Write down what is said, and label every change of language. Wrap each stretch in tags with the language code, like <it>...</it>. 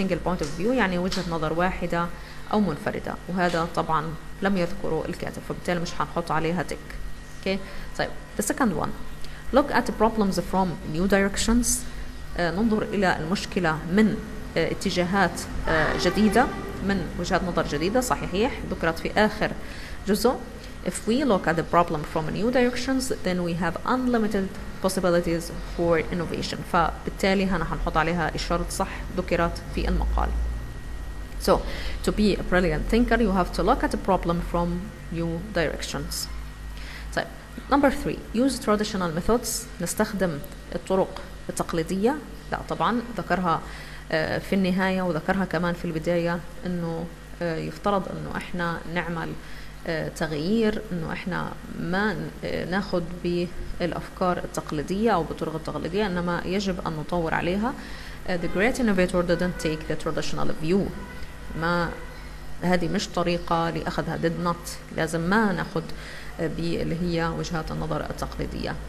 <en>single point of view</en> <ar>يعني وجهة نظر واحدة أو منفردة، وهذا طبعا لم يذكره الكاتب فبالتالي مش هنحط عليها تك.</ar> <en>okay.</en> <ar>طيب</ar> <en>the second one. Look at problems from new directions.</en> <ar>ننظر إلى المشكلة من اتجاهات جديدة، من وجهات نظر جديدة. صحيح ذكرت في آخر جزء.</ar> <en>If we look at the problem from new directions, then we have unlimited possibilities for innovation.</en> <ar>فبالتالي هنا هنحط عليها الشرط صح ذكرت في المقال.</ar> <en>So, to be a brilliant thinker, you have to look at the problem from new directions.</en> <ar>طيب,</ar> <en>number three, use traditional methods.</en> <ar>نستخدم الطرق التقليدية. لا طبعا ذكرها في النهاية وذكرها كمان في البداية انه يفترض انه احنا نعمل تغيير، انه احنا ما ناخد بالافكار التقليدية او بطرق التقليدية، انما يجب ان نطور عليها.</ar> <en>The great innovator didn't take the traditional view.</en> <ar>ما هذه مش طريقة لأخذها،</ar> <en>did not.</en> <ar>لازم ما ناخد باللي هي وجهات النظر التقليدية.</ar>